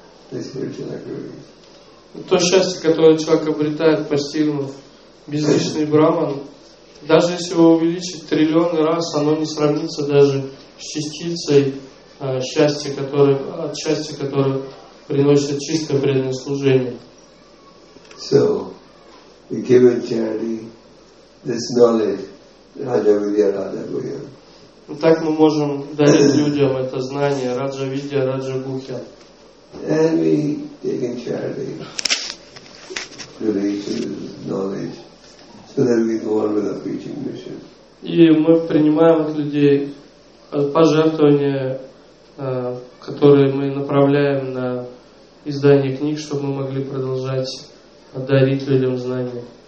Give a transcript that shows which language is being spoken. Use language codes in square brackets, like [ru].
[ru] То счастье, которое человек обретает, постигнув безличный брахман, даже если его увеличить триллионы раз, оно не сравнится даже с частицей счастья, которое, от счастья, которое приносит чистое преданное служение. [en] So, we give in charity this knowledge, Raja Vidya, Raja Guhya. [ru] Так мы можем дарить людям это знание, Раджа Видья, Раджа Гухья. [en] And we give in charity relations, knowledge, so that we go on with our preaching mission. [ru] И мы принимаем от людей пожертвования, которые мы направляем на издание книг, чтобы мы могли продолжать дарить людям знания.